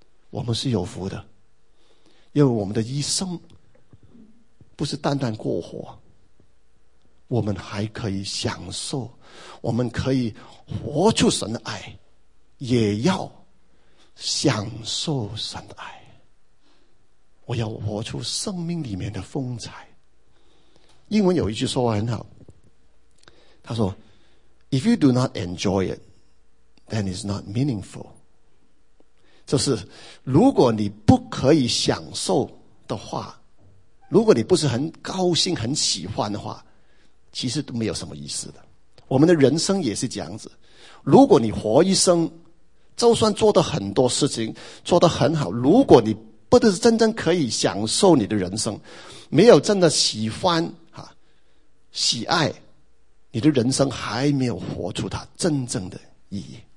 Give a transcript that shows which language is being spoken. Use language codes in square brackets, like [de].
[zh] 我们是有福的，因为我们的一生不是单单过活，我们还可以享受，我们可以活出神的爱，也要享受神的爱。我要活出生命里面的风采。英文有一句说话很好，他说 [en] If you do not enjoy it, then it's not meaningful。 [zh] 就是如果你不可以享受的话，如果你不是很高兴很喜欢的话，其实都没有什么意思的。我们的人生也是这样子，如果你活一生就算做得很多事情做得很好，如果你不是真正可以享受你的人生，没有真的喜欢喜爱，你的人生还没有活出它真正的意义。